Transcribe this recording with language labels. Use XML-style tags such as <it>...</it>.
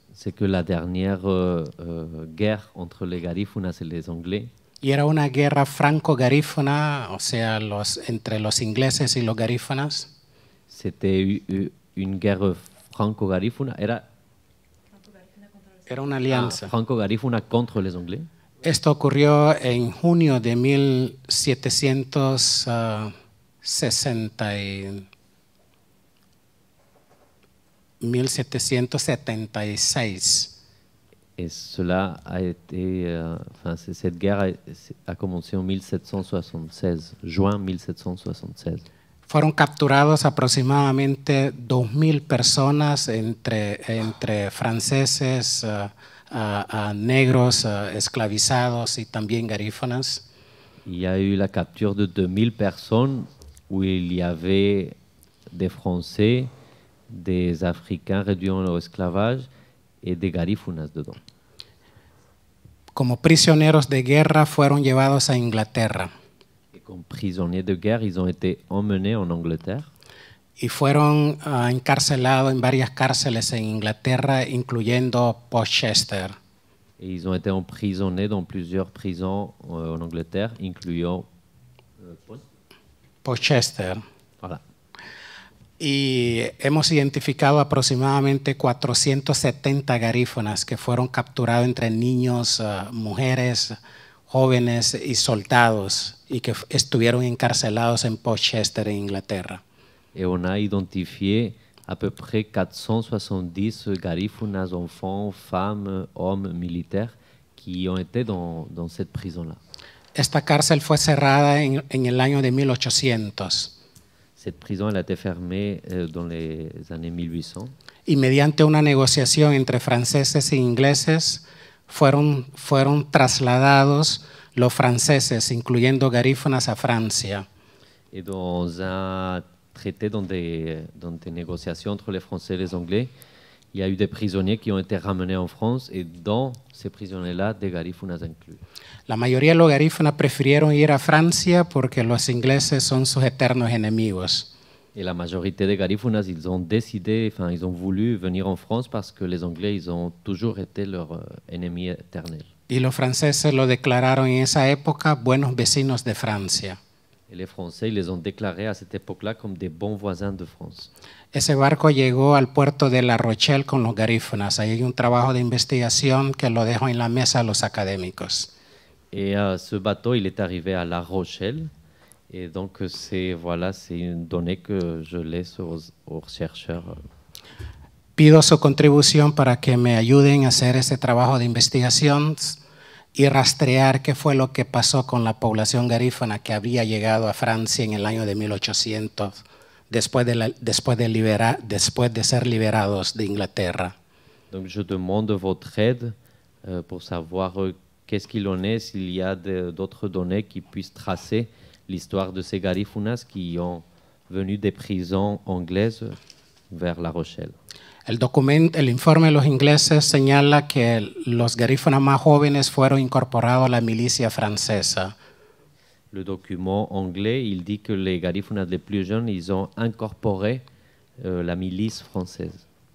<fr>C'est que la dernière guerre entre les garífunas et les anglais.</fr> <es>Y era una guerra franco-garífona, o sea, entre los ingleses y los garífonas.</es> <fr>C'était une guerre franco-garífona.</fr> <es>Era una alianza. Ah, franco-garífona contra los ingleses. Esto ocurrió en junio de 1776.</es> <fr>Et cela a été, enfin, cette guerre a commencé en 1776, juin 1776.</fr> <es>Fueron capturados aproximadamente 2000 personas entre franceses, negros, esclavizados y también garífonas.</es> <fr>Il y a eu la capture de 2000 personnes où il y avait des Français, des Africains réduits au esclavage et des garífonas dedans.</fr> <es>Como prisioneros de guerra fueron llevados a Inglaterra. Como prisioneros de guerra,</es> <fr>ils ont été emmenés en Angleterre.</fr> <es>Y fueron encarcelados en varias cárceles en Inglaterra, incluyendo Portchester.</es> <fr>Et ils ont été emprisonnés dans plusieurs prisons en Angleterre, incluyendo Portchester. Voilà.</fr> <es>Y hemos identificado aproximadamente 470 garífonas que fueron capturados entre niños, mujeres, jóvenes y soldados y que estuvieron encarcelados en Portchester, en Inglaterra.</es> <fr>Y on a identifié à peu près 470 garífonas, enfants, femmes, hommes, militaires, qui ont été dans cette prison-là.</fr> <es>Esta cárcel fue cerrada en el año de 1800.</es> <fr>Cette prison elle a été fermée dans les années 1800.</fr> <es>Y mediante una negociación entre franceses e ingleses fueron trasladados los franceses incluyendo garífonas a Francia.</es> <fr>Et dans un traité dans des négociations entre les Français et les Anglais, il y a eu des prisonniers qui ont été ramenés en France et dans ces prisonniers-là des garífonas inclus.</fr> <es>La mayoría de los garífonas prefirieron ir a Francia porque los ingleses son sus eternos enemigos. Y la mayoría de garífonas,</es> <fr>ils ont décidé, enfin, ils ont voulu venir en France parce que les Anglais, ils ont toujours été leur ennemi éternel.</fr> <es>Y los franceses lo declararon en esa época buenos vecinos de Francia.</es> <fr>Et les Français, ils les ont déclarés à cette époque-là comme des bons voisins de France.</fr> <es>Ese barco llegó al puerto de La Rochelle con los garífonas. Ahí hay un trabajo de investigación que lo dejo en la mesa a los académicos.</es> <fr>Et ce bateau, il est arrivé à La Rochelle. Et donc, c'est une donnée que je laisse aux chercheurs.</fr> <es>Pido su contribución para que me ayuden a hacer ese trabajo de investigación y rastrear qué fue lo que pasó con la población garífona que había llegado a Francia en el año de 1800, después de ser liberados de Inglaterra.</es> <fr>Donc, je demande votre aide pour savoir qu'est-ce qu'il en est, s'il y a d'autres données qui puissent tracer l'histoire de ces garífonas qui ont venu des prisons anglaises vers La Rochelle.</fr> <es>El informe de los ingleses señala que los garífonas más jóvenes fueron incorporados a la milicia francesa.</es> <fr>Le document anglais, il dit que les garífonas les plus jeunes, ils ont incorporé la milice française.</fr>